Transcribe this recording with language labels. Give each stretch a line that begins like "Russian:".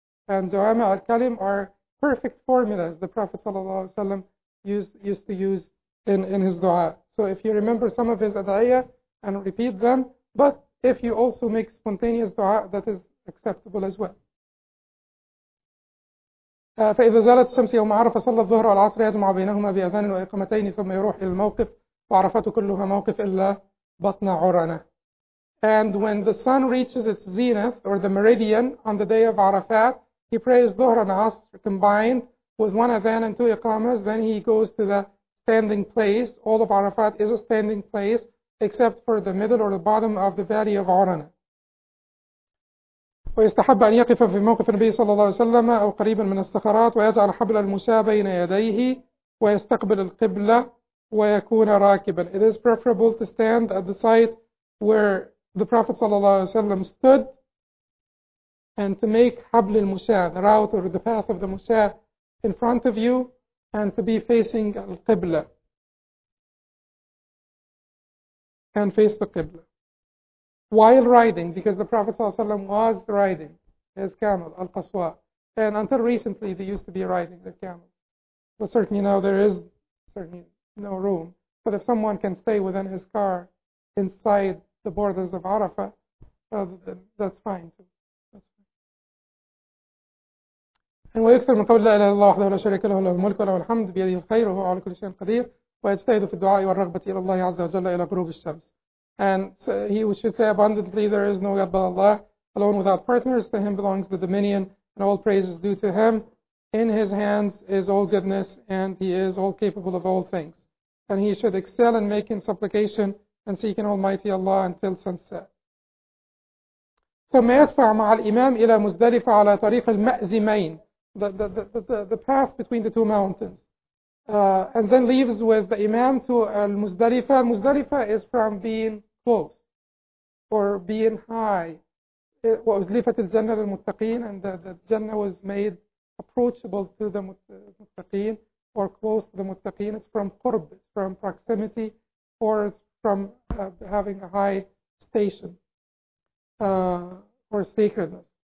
English: And du'ami al-kalim are perfect formulas the Prophet ﷺ used to use in his dua. So if you remember some of his adaya and repeat them, but if you also make spontaneous dua, that is acceptable as well.
Arabic: فإذا زالت الشمس يوم عرفة صلى الظهر والعصر يجمع بينهما بأذان وإقامتين ثم يروح إلى الموقف وعرفت كلها موقف إلا بطن عرنة.
English: And when the sun reaches its zenith or the meridian on the day of Arafat, he prays Dhuhr and Asr combined with one adhan and two iqamas. Then he goes to the standing place. All of Arafat is a standing place except for the middle or the bottom of the valley of Urana.
Arabic: ويستحب أن يقف في موقف النبي صلى الله عليه وسلم أو قريبا من الصخرات ويجعل حبل المساء بين يديه ويستقبل القبلة ويكون راكبا.
English: It is preferable to stand at the site where the Prophet صلى الله عليه وسلم stood and to make حبل المساء, the route or the path of the مساء, in front of you and to be facing القبلة and face the قبلة. While riding, because the Prophet ﷺ was riding his camel, Al-Qaswa. And until recently, they used to be riding their camel. But certainly now there is certainly no room. But if someone can stay within his car inside the borders of Arafah, that's fine too. That's fine.
Arabic: And ويكثر من قول لا إله إلا الله وحده لا شريك له له الملك وله الحمد بيده الخير وهو على كل شيء قدير ويجتهد في الدعاء والرغبة إلى الله عز وجل إلى غروب الشمس.
English: And so he should say abundantly, there is no God but Allah, alone without partners. To Him belongs the dominion, and all praise is due to Him. In His hands is all goodness, and He is all capable of all things. And he should excel in making supplication and seeking Almighty Allah until sunset.
Arabic: ثم يدفع مع الإمام إلى مزدلفة على طريق المأزمين,
English: the path between the two mountains. And then leaves with the Imam to Al-Muzdalifa. Muzdalifa is from being close or being high. It was Lifat al-Jannah al-Muttaqeen, and the Jannah was made approachable to the Muttaqeen or close to the Muttaqeen. It's from Qurb, it's from proximity, or it's from having a high station or sacredness.